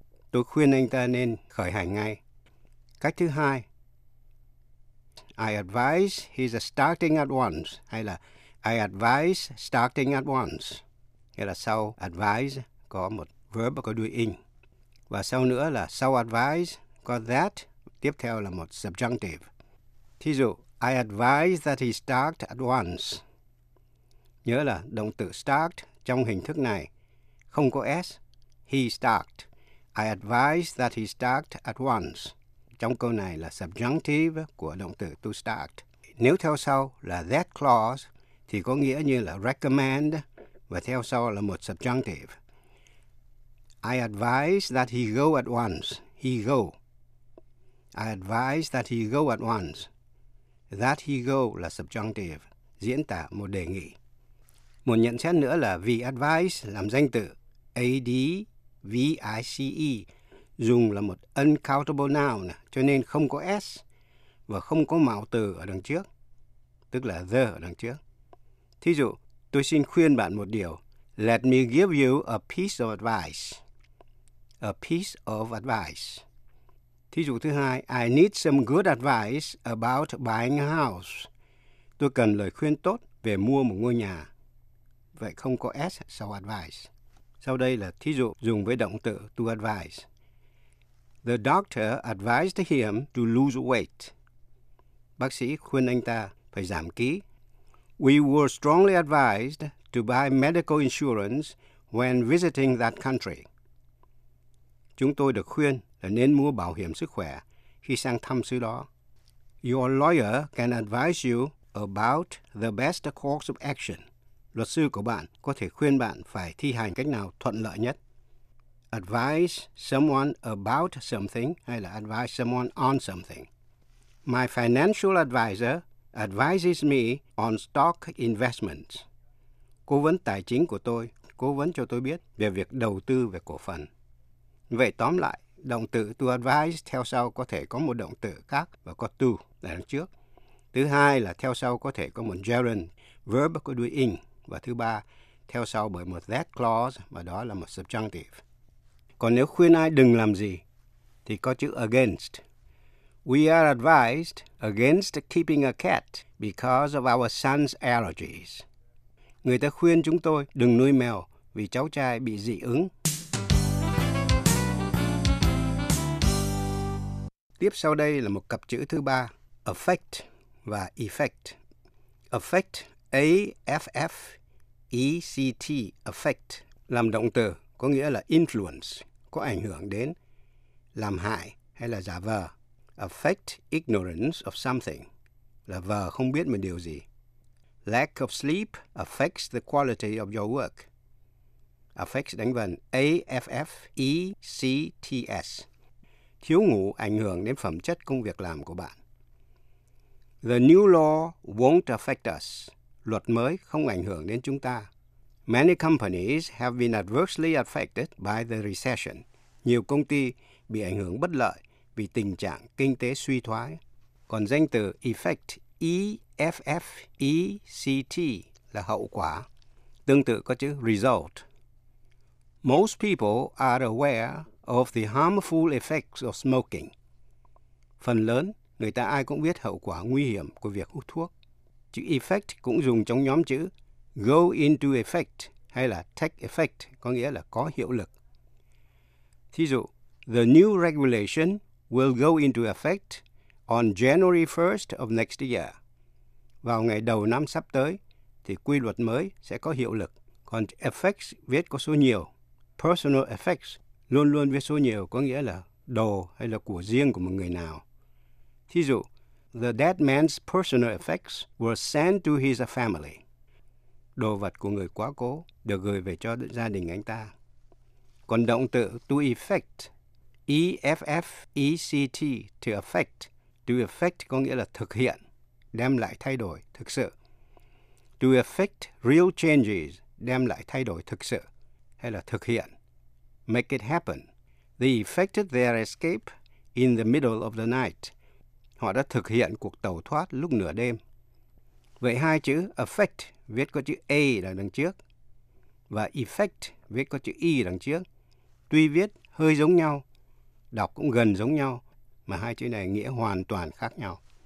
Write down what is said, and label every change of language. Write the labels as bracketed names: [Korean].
[Vietnamese] Tôi khuyên anh ta nên khởi hành ngay. Cách thứ hai, [English] I advise he's starting at once, [Vietnamese] hay là [English] I advise starting at once. [Vietnamese] Nghĩa là sau advise có một verb có đuôi in. Và sau nữa là sau advise có that, tiếp theo là một subjunctive. Thí dụ, [English] I advise that he start at once. [Vietnamese] Nhớ là động từ start trong hình thức này không có s. He start. [English] I advise that he start at once. [Vietnamese] Trong câu này là subjunctive của động từ to start. Nếu theo sau là that clause thì có nghĩa như là recommend, và theo sau là một subjunctive. [English] I advise that he go at once. He go. I advise that he go at once. [Vietnamese] That he go là subjunctive, diễn tả một đề nghị. Một nhận xét nữa là vì advice làm danh từ, A-D-V-I-C-E, dùng là một uncountable noun, cho nên không có S và không có mạo từ ở đằng trước, tức là the ở đằng trước. Thí dụ, tôi xin khuyên bạn một điều. [English] Let me give you a piece of advice. A piece of advice. [Vietnamese] Thí dụ thứ hai, [English] I need some good advice about buying a house. [Vietnamese] Tôi cần lời khuyên tốt về mua một ngôi nhà. vậy không có S sau advice. Sau đây là thí dụ dùng với động từ to advise. [English] The doctor advised him to lose weight. [Vietnamese] Bác sĩ khuyên anh ta phải giảm ký. [English] We were strongly advised to buy medical insurance when visiting that country. [Vietnamese] Chúng tôi được khuyên là nên mua bảo hiểm sức khỏe khi sang thăm xứ đó. [English] Your lawyer can advise you about the best course of action. [Vietnamese] Luật sư của bạn có thể khuyên bạn phải thi hành cách nào thuận lợi nhất. [English] Advise someone about something [Vietnamese] hay là [English] advise someone on something. My financial advisor advises me on stock investments. [Vietnamese] Cố vấn tài chính của tôi cố vấn cho tôi biết về việc đầu tư về cổ phần. Vậy tóm lại, động từ to advise theo sau có thể có một động từ khác và có to là đằng trước. Thứ hai là theo sau có thể có một gerund, verb có đuôi ing. Và thứ ba, theo sau bởi một that clause và đó là một subjunctive. Còn nếu khuyên ai đừng làm gì, thì có chữ against. [English] We are advised against keeping a cat because of our son's allergies. [Vietnamese] Người ta khuyên chúng tôi đừng nuôi mèo vì cháu trai bị dị ứng. Tiếp sau đây là một cặp chữ thứ ba, affect và effect. Affect, A-F-F-E-C-T, affect, làm động từ, có nghĩa là influence, có ảnh hưởng đến, làm hại hay là giả vờ. [English] Affect ignorance of something, [Vietnamese] là vờ không biết một điều gì. [English] Lack of sleep affects the quality of your work. [Vietnamese] Affects đánh vần A-F-F-E-C-T-S. Thiếu ngủ ảnh hưởng đến phẩm chất công việc làm của bạn. [English] The new law won't affect us. [Vietnamese] Luật mới không ảnh hưởng đến chúng ta. [English] Many companies have been adversely affected by the recession. [Vietnamese] Nhiều công ty bị ảnh hưởng bất lợi vì tình trạng kinh tế suy thoái. Còn danh từ effect, E-F-F-E-C-T, là hậu quả. Tương tự có chữ result. [English] Most people are aware of the harmful effects of smoking. [Vietnamese] Phần lớn, người ta ai cũng biết hậu quả nguy hiểm của việc hút thuốc. Chữ effect cũng dùng trong nhóm chữ go into effect hay là take effect, có nghĩa là có hiệu lực. Thí dụ, [English] the new regulation will go into effect on January 1st of next year. [Vietnamese] Vào ngày đầu năm sắp tới, thì quy luật mới sẽ có hiệu lực. Còn effects viết có số nhiều. Personal effects luôn luôn viết số nhiều, có nghĩa là đồ hay là của riêng của một người nào. Thí dụ, [English] the dead man's personal effects were sent to his family. [Vietnamese] Đồ vật của người quá cố được gửi về cho gia đình anh ta. Còn động từ to effect, E-F-F-E-C-T, to affect. To effect có nghĩa là thực hiện, đem lại thay đổi thực sự. [English] To effect real changes, [Vietnamese] đem lại thay đổi thực sự, hay là thực hiện. [English] Make it happen. They effected their escape in the middle of the night. [Vietnamese] Họ đã thực hiện cuộc tẩu thoát lúc nửa đêm. Vậy hai chữ affect viết có chữ A là đằng trước và effect viết có chữ E đằng trước. Tuy viết hơi giống nhau, đọc cũng gần giống nhau, mà hai chữ này nghĩa hoàn toàn khác nhau.